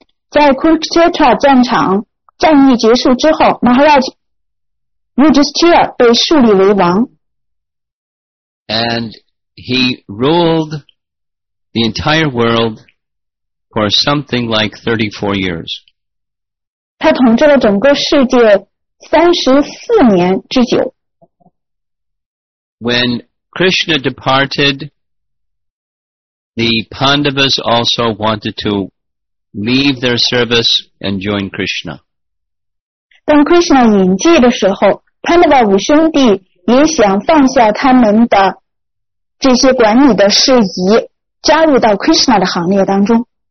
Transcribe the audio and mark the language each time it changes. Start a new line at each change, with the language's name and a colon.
Chinese: 在 Kurukshetra 战场战役结束之后 ，Maharaj Yudhisthira 被树立为王。
English: And he ruled the entire world for something like 34 years.
Chinese: 他统治了整个世界34年之久。
English: When Krishna departed, the Pandavas also wanted to leave their service and join Krishna.
Chinese: 当 Krishna 隐居的时候 ,Pandava 五兄弟也想放下他们的这些管理的事宜加入到 Krishna 的行列当中。